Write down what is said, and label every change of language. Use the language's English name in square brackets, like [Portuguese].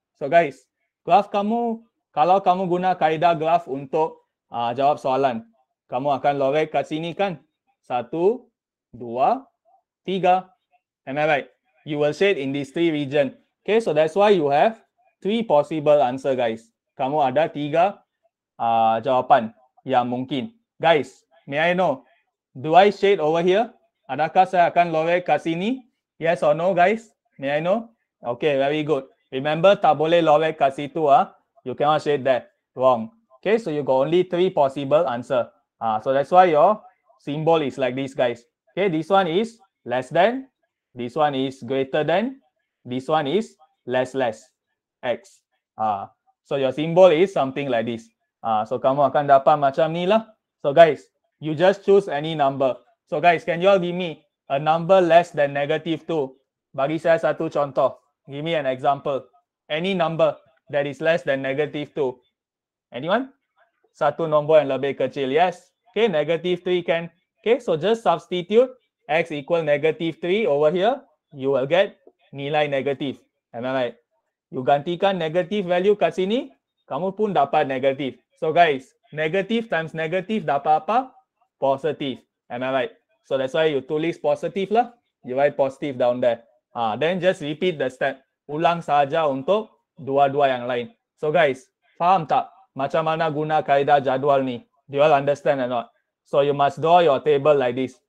[Malay] So, guys, graph kamu, kalau kamu guna kaedah graph untuk jawab soalan, kamu akan lorek kat sini kan? [English] 1, 2, 3. Am I right? You will shade in this 3 region. Okay, so that's why you have 3 possible answer, guys. [Malay] Kamu ada 3 jawapan yang mungkin. [English] Guys, may I know? Do I shade over here? [Malay] Adakah saya akan lorek kat sini? [English] Yes or no, guys? May I know? Okay, very good. Remember, [Malay] tak boleh lorek kat situ. [English] You cannot shade that. Wrong. Okay, so you got only 3 possible answer. So that's why your symbol is like this, guys. Okay, this one is less than. This one is greater than. This one is less x. So your symbol is something like this. [Malay] So kamu akan dapat macam ni lah. [English] So guys, you just choose any number. So guys, can you all give me a number less than negative 2? [Malay] Bagi saya satu contoh. [English] Give me an example. Any number that is less than negative 2. Anyone? [Malay] Satu nombor yang lebih kecil. [English] Yes. Okay, negative 3 can. Okay, so just substitute x equal negative 3 over here, you will get [Malay] nilai negatif. [English] Am I right? [Malay] You gantikan negatif value kat sini, kamu pun dapat negatif. [English] So guys, negatif times negatif [Malay] dapat apa? [English] Positif. Am I right? So that's why you [Malay] tulis positif lah. [English] You write positif down there. Then just repeat the step. [Malay] ulang sahaja untuk dua-dua yang lain. So guys, faham tak macam mana guna kaedah jadual ni? [English] Do you all understand or not? So you must draw your table like this.